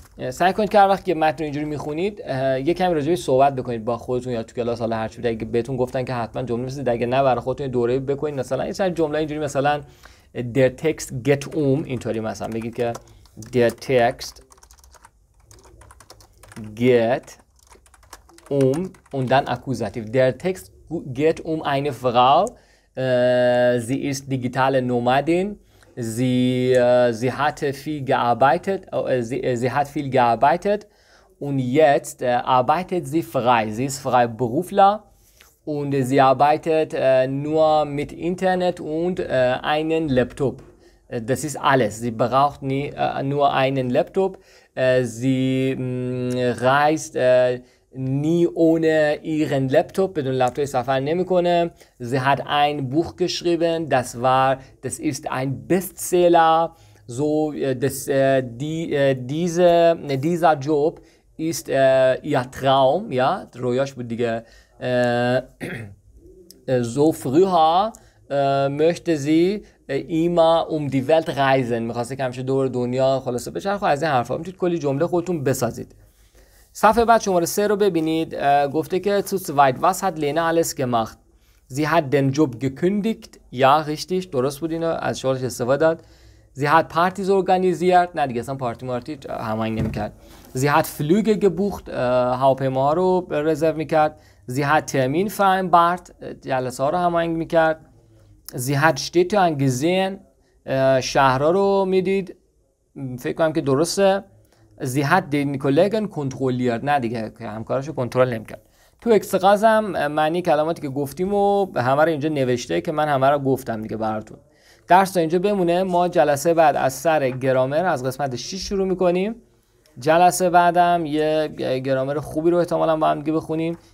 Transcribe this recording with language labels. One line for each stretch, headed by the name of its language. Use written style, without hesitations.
Persian: سعی کنید که هر وقت یه متن رو اینجوری میخونید یه کمی راجع بهش صحبت بکنید با خودتون یا تو کلاس حالا هر چی بوده اگه بهتون گفتن که حتما جمله بسید اگه نه برای خودتون دوره بکنید مثلا این سر جمله اینجوری مثلا در تکست گت اوم اینطوری مثلا بگید که
German: Der Text geht um und dann Akkusativ. Der Text geht um eine Frau. Sie ist digitale Nomadin. Sie hatte viel gearbeitet. Sie hat viel gearbeitet und jetzt arbeitet sie frei. Sie ist Freiberufler und sie arbeitet nur mit Internet und einem Laptop. Das ist alles. Sie braucht nie, nur einen Laptop. Sie reist nie ohne ihren Laptop. Mit dem Laptop ist auf einen Mikone. Sie hat ein Buch geschrieben. Das ist ein Bestseller. So, dieser Job ist ihr Traum. Ja, so früher möchte sie immer um die Welt reisen.
Persian: می‌خواسته که همیشه دور دنیا خلاصه بچرخه از این حرفا میتونید کلی جمله خودتون بسازید. صفحه بعد شماره 3 رو ببینید گفته که
German: zu zweit was hat Lena alles gemacht. Sie hat den Job gekündigt. Ja, richtig.
Persian: درست بود اینو از شغلش استفاده داد.
German: Sie hat Partys organisiert.
Persian: نه دیگه اصلا پارتی مارتی هماهنگ نمی‌کرد.
German: Sie hat Flüge gebucht.
Persian: هواپیما رو رزرو می‌کرد.
German: Sie hat Termin vereinbart.
Persian: جلسه‌ها رو هماهنگ می‌کرد.
German: Sie hat Städte angesehen,
Persian: شهرها رو میدید. فکر کنم که درسته.
German: Sie hat den Kollegen kontrolliert.
Persian: نه دیگه که همکارش رو کنترل نمیکرد. تو اکسقازم معنی کلماتی که گفتیم و همه رو اینجا نوشته که من همه رو گفتم دیگه براتون. درس اینجا بمونه. ما جلسه بعد از سر گرامر از قسمت 6 شروع میکنیم. جلسه بعدم یه گرامر خوبی رو احتمالا با هم دیگه بخونیم.